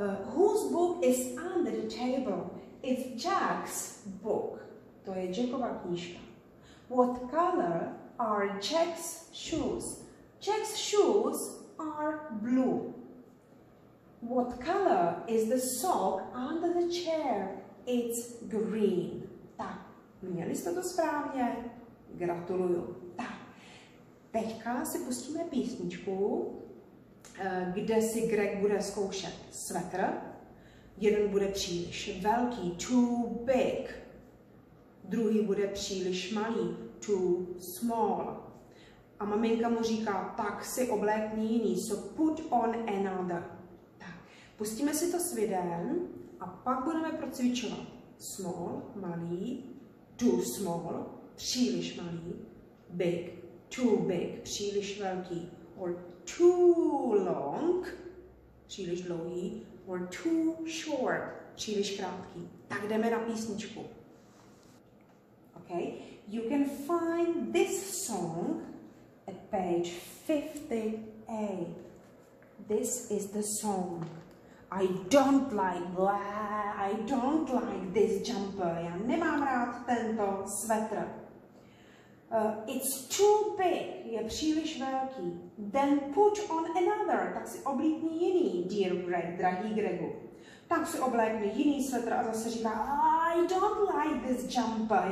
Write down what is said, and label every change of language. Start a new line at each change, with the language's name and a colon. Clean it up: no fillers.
English: Whose book is under the table? It's Jack's book.
Czech: To je Jackova knížka.
English: What color are Jack's shoes? Jack's shoes are blue. What color is the sock under the chair? It's green.
Czech: Tak, měli jste to správně? Gratuluju. Tak, teďka si pustíme písničku, kde si Greg bude zkoušet svetr. Jeden bude příliš velký,
English: too big.
Czech: Druhý bude příliš malý,
English: too small.
Czech: A maminka mu říká, tak si oblékni jiný,
English: so put on another.
Czech: Tak, pustíme si to s videem a pak budeme procvičovat.
English: Small, malý, too small,
Czech: příliš malý,
English: big, too big,
Czech: příliš velký,
English: or too long,
Czech: příliš dlouhý,
English: or too short,
Czech: příliš krátký. Tak jdeme na písničku.
English: Okay, you can find this song at page 58. This is the song. I don't like blah, I don't like this jumper.
Czech: Já nemám rád tento svetr.
English: It's too big,
Czech: je příliš velký.
English: Then put on another,
Czech: tak si oblíkni jiný,
English: dear Greg,
Czech: drahý Gregu. Tak si oblékni jiný svetr a zase říká,
English: I don't like this jumper.